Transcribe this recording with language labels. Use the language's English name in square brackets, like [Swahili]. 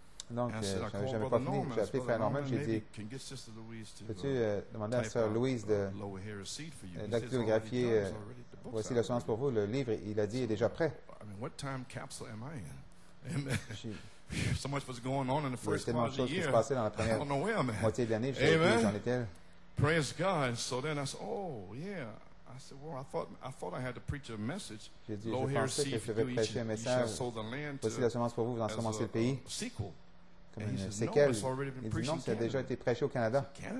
[French] Donc, je n'avais jamais pas fini. J'ai appelé Frère Norman, j'ai dit, peux-tu demander à Sœur Louise d'actographier, voici la semence pour vous, le livre, il a dit, est déjà prêt. Amen. [English] So much was going on in the first part of the year. [French] Dans la première moitié de l'année, j'en étais. [English] Praise God. So then I said, oh yeah. I said, well, I thought I had to preach a message. [French] J'ai dit, je pensais que je devais prêcher un message. Voici la semence pour vous, vous en semencez le pays. [English] Sequel. [French] comme une séquelle. Il dit non, ça a déjà été prêché au Canada.